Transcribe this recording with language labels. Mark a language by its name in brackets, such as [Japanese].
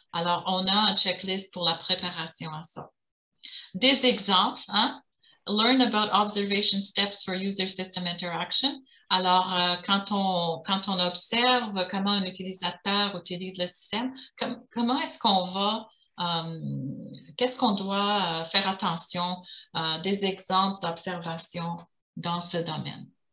[French] Alors, on a un checklist pour la préparation à ça. Des exemples, hein? [English] Learn about observation steps for user system interaction. [French] Alors, quand on observe comment un utilisateur utilise le système, comment est-ce qu'on va, qu'est-ce qu'on doit faire attention, des exemples d'observation dans ce domaine.